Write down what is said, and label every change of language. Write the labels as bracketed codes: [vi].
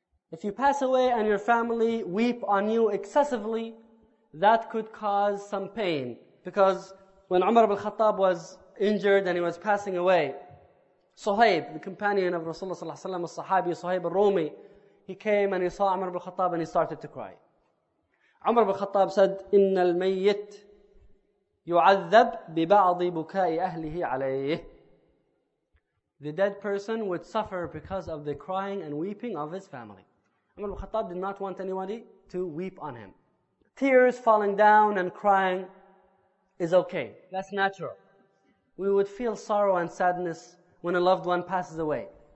[en] If you pass away and your family weep on you excessively, that could cause some pain. Because when Umar ibn Khattab was injured and he was passing away, Suhaib, the companion of Rasulullah ﷺ, the Sahabi Suhaib al-Rumi, he came and he saw Umar ibn Khattab and he started to cry. Umar ibn Khattab said, [ar] إِنَّ الْمَيِّتْ يُعَذَّبْ بِبَعْضِ بُكَاءِ أَهْلِهِ عَلَيْهِ. [en] The dead person would suffer because of the crying and weeping of his family. Umar ibn Khattab did not want anybody to weep on him. Tears falling down and crying is okay. That's natural. We would feel sorrow and sadness when a loved one passes away.